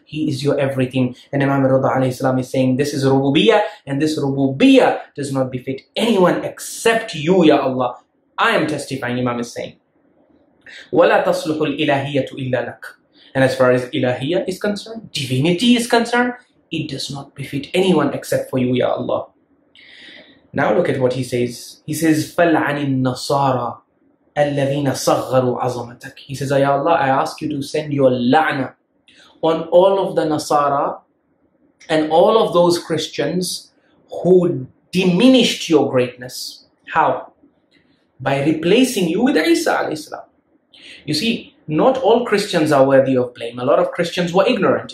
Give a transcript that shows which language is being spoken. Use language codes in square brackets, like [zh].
[en] He is your everything. And Imam Ridha alayhi salam is saying, this is rububiyyah, and this rububiyyah does not befit anyone except you, Ya Allah. I am testifying, Imam is saying. [ar] وَلَا تَصْلُحُ الْإِلَهِيَّةُ إِلَّا لَكَ. [en] And as far as ilahiyah is concerned, divinity is concerned, it does not befit anyone except for you, Ya Allah. Now look at what he says. He says, [ar] فَلْعَنِ النَّصَارَى أَلَّذِينَ صَغَّرُوا عَظَمَتَكَ. [en] He says, Ya Allah, I ask you to send your la'na on all of the Nasara and all of those Christians who diminished your greatness. How? By replacing you with Isa alayhi salam. You see, not all Christians are worthy of blame. A lot of Christians were ignorant.